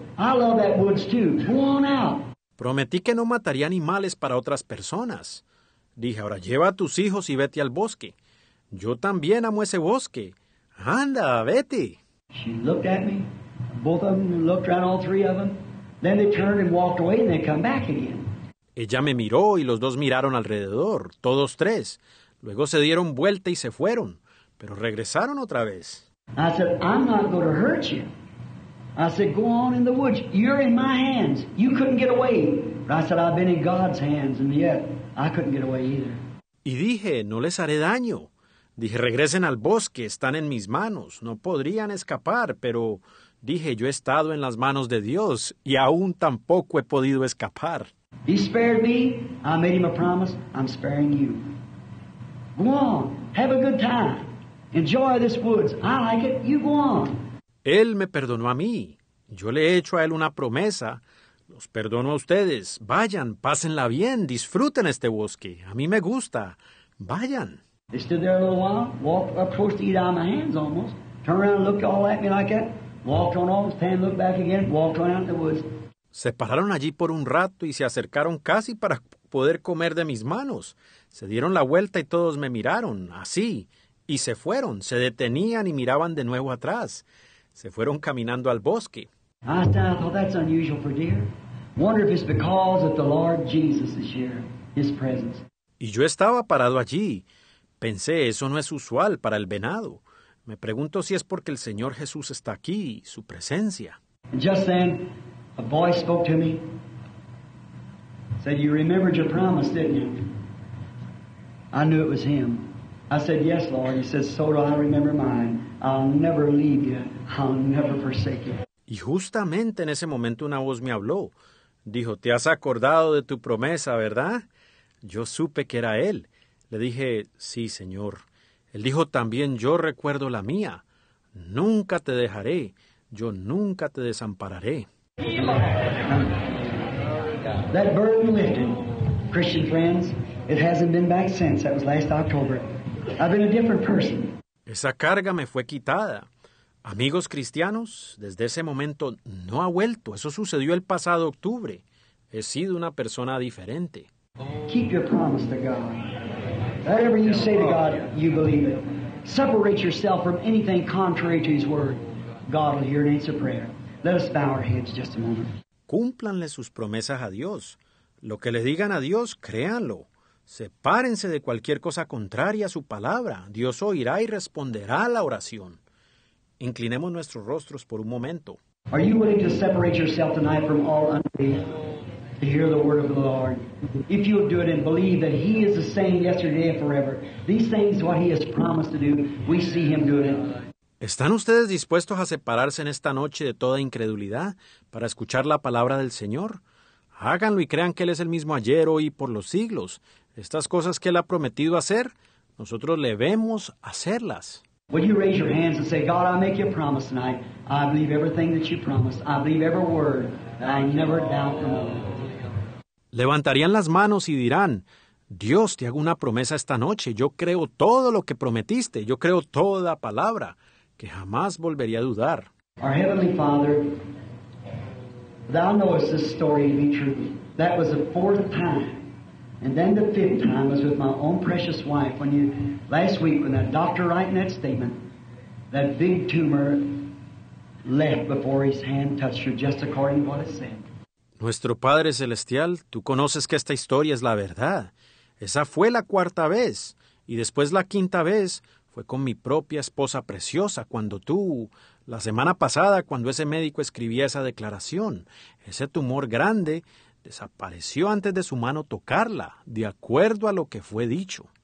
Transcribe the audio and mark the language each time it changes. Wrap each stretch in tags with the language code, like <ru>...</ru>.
<en>I love that woods too. Go on out.</en> <es>Prometí que no mataría animales para otras personas. Dije, ahora lleva a tus hijos y vete al bosque. Yo también amo ese bosque. Anda, vete.</es> <en>She looked at me. Both of them looked around, all three of them. Then they turned and walked away and they come back again.</en> <es>Ella me miró y los dos miraron alrededor, todos tres. Luego se dieron vuelta y se fueron, pero regresaron otra vez.</es> <en>I said, I'm not going to hurt you. I said, go on in the woods. You're in my hands. You couldn't get away. But I said, I've been in God's hands, and yet I couldn't get away either.</en> <es>Y dije, no les haré daño. Dije, regresen al bosque. Están en mis manos. No podrían escapar, pero dije, yo he estado en las manos de Dios, y aún tampoco he podido escapar.</es> <en>He spared me. I made him a promise. I'm sparing you. Go on. Have a good time. Enjoy this woods. I like it. You go on.</en> <es>Él me perdonó a mí. Yo le he hecho a él una promesa. Los perdono a ustedes. Vayan, pásenla bien, disfruten este bosque. A mí me gusta. Vayan.</es> <en>They stood there a little while, walked up close to eat out of my hands almost. Turned around and looked all at me like that. Walked on all, stand, looked back again, walked on out in the woods.</en> <es>Se pararon allí por un rato y se acercaron casi para poder comer de mis manos. Se dieron la vuelta y todos me miraron, así. Y se fueron, se detenían y miraban de nuevo atrás. Se fueron caminando al bosque.</es> <en>I thought that's unusual for deer. Wonder if it's because of the Lord Jesus is here, his presence.</en> <es>Y yo estaba parado allí. Pensé, eso no es usual para el venado. Me pregunto si es porque el Señor Jesús está aquí, su presencia.</es> <en>And just then, a voice spoke to me. Said, you remembered your promise, didn't you? I knew it was him. I said, yes, Lord. He said, so do I remember mine. I'll never leave you. I'll never forsake you.</en> <es>Y justamente en ese momento una voz me habló. Dijo, ¿te has acordado de tu promesa, verdad? Yo supe que era él. Le dije, sí, Señor. Él dijo, también yo recuerdo la mía. Nunca te dejaré. Yo nunca te desampararé.</es> <en>That burden lifted, Christian friends. It hasn't been back since. That was last October. I've been a different person.</en> <es>Esa carga me fue quitada. Amigos cristianos, desde ese momento no ha vuelto. Eso sucedió el pasado octubre. He sido una persona diferente.</es> <en>Keep your promise to God. Whatever you say to God, you believe it. Separate yourself from anything contrary to His word. God will hear and answer prayer. Let us bow our heads just a moment.</en> <es>Cúmplanle sus promesas a Dios. Lo que le digan a Dios, créanlo. Sepárense de cualquier cosa contraria a su palabra. Dios oirá y responderá a la oración. Inclinemos nuestros rostros por un momento.</es> <en>Are you willing to separate yourself tonight from all unbelief to hear the word of the Lord? If you'll do it and believe that He is the same yesterday and forever, these things, what He has promised to do, we see Him doing it.</en> <es>¿Están ustedes dispuestos a separarse en esta noche de toda incredulidad para escuchar la palabra del Señor? Háganlo y crean que Él es el mismo ayer, hoy y por los siglos. Estas cosas que Él ha prometido hacer, nosotros le vemos hacerlas.</es> <en>Would you raise your hands and say, God, I make you a promise tonight. I believe everything that you promised. I believe every word. I never doubt the moment.</en> <es>Levantarían las manos y dirán, Dios, te hago una promesa esta noche. Yo creo todo lo que prometiste. Yo creo toda palabra que jamás volvería a dudar.</es> <en>Our Heavenly Father, Thou knowest this story to be true. That was the fourth time. And then the fifth time was with my own precious wife. Last week, when that doctor writing that statement, that big tumor left before his hand touched her, just according to what it said.</en> <es>Nuestro Padre Celestial, Tú conoces que esta historia es la verdad. Esa fue la cuarta vez. Y después la quinta vez fue con mi propia esposa preciosa, cuando Tú, la semana pasada, cuando ese médico escribía esa declaración, ese tumor grande desapareció antes de su mano tocarla, de acuerdo a lo que fue dicho.</es>